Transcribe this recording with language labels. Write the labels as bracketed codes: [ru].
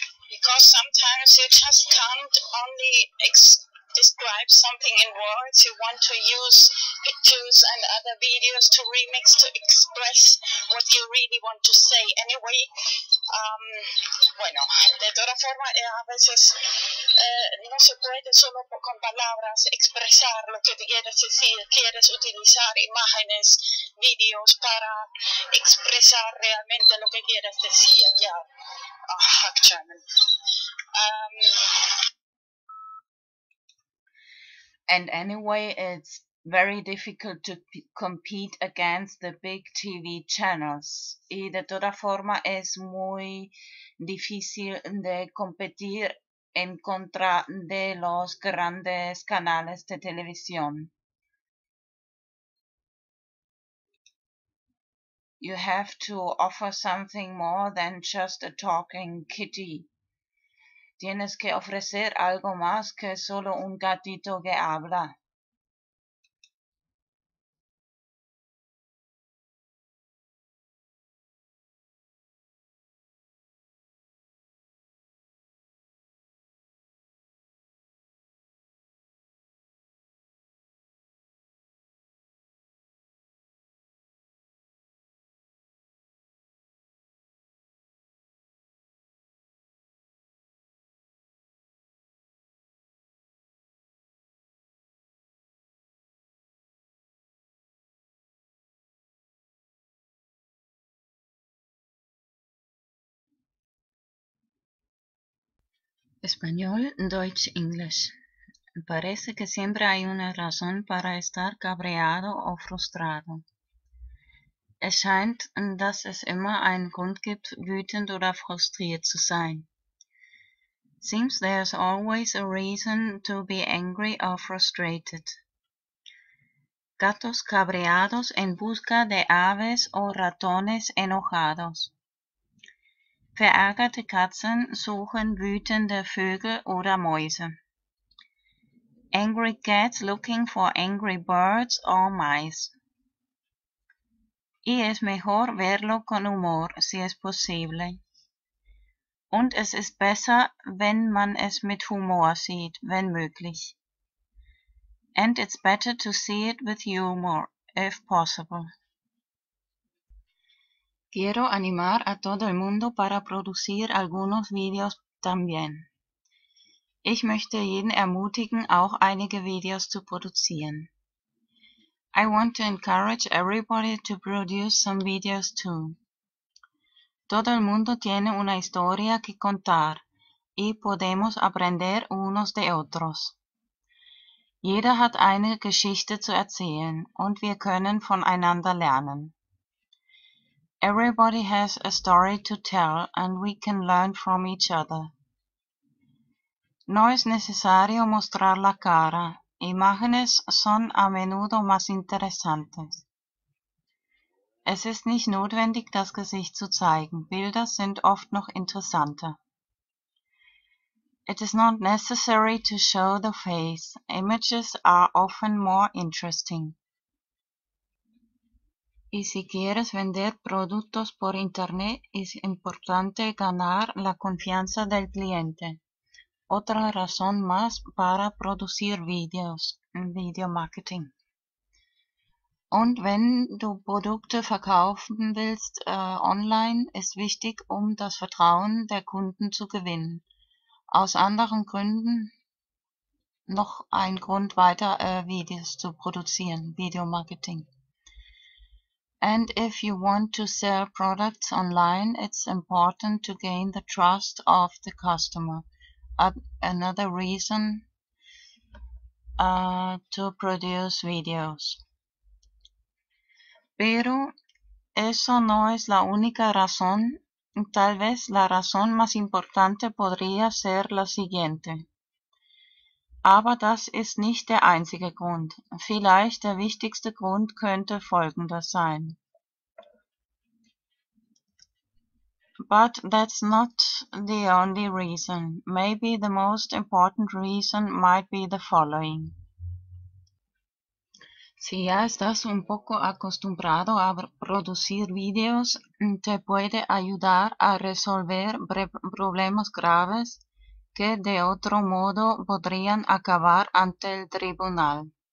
[en] Because sometimes you just can't only describe something in words. You want to use pictures and other videos to remix to express what you really want to say. Anyway, [es] Bueno, de toda forma, a veces no se puede solo con palabras expresar lo que quieres decir. Quieres utilizar imágenes, videos para expresar realmente lo que quieres decir. [en] Ya. Yeah. Oh, German. And anyway, it's very difficult to compete against the big TV channels. [es] Y de toda forma es muy difícil de competir en contra de los grandes canales de televisión. [en] You have to offer something more than just a talking kitty. [es] Tienes que ofrecer algo más que solo un gatito que habla. Español, Deutsch, English. Parece que siempre hay una razón para estar cabreado o frustrado. [de] Es scheint, dass es immer einen Grund gibt, wütend oder frustriert zu sein. [en] Seems there's always a reason to be angry or frustrated. [es] Gatos cabreados en busca de aves o ratones enojados. [de] Verärgerte Katzen suchen wütende Vögel oder Mäuse. [en] Angry cats looking for angry birds or mice. [es] Y es mejor verlo con humor, si es posible. [de] Und es ist besser, wenn man es mit Humor sieht, wenn möglich. [en] And it's better to see it with humor, if possible. [es] Quiero animar a todo el mundo para producir algunos videos también. [de] Ich möchte jeden ermutigen, auch einige Videos zu produzieren. [en] I want to encourage everybody to produce some videos too. [es] Todo el mundo tiene una historia que contar y podemos aprender unos de otros. [de] Jeder hat eine Geschichte zu erzählen und wir können voneinander lernen. [en] Everybody has a story to tell and we can learn from each other. [es] No es necesario mostrar la cara. Imágenes son a menudo más interesantes. [de] Es ist nicht notwendig, das Gesicht zu zeigen. Bilder sind oft noch interessanter. [en] It is not necessary to show the face. Images are often more interesting. [es] Y si quieres vender productos por internet, es importante ganar la confianza del cliente. Otra razón más para producir videos, video marketing. [de] Und wenn du Produkte verkaufen willst online, ist wichtig, um das Vertrauen der Kunden zu gewinnen. Aus anderen Gründen noch ein Grund weiter Videos zu produzieren, Video Marketing. [en] And if you want to sell products online, it's important to gain the trust of the customer. Another reason to produce videos. [es] Pero eso no es la única razón. Tal vez la razón más importante podría ser la siguiente. [de] Aber das ist nicht der einzige Grund. Vielleicht der wichtigste Grund könnte folgender sein. [en] But that's not the only reason. Maybe the most important reason might be the following. [es] Si ya estás un poco acostumbrado a producir videos, te puede ayudar a resolver problemas graves que de otro modo podrían acabar ante el tribunal.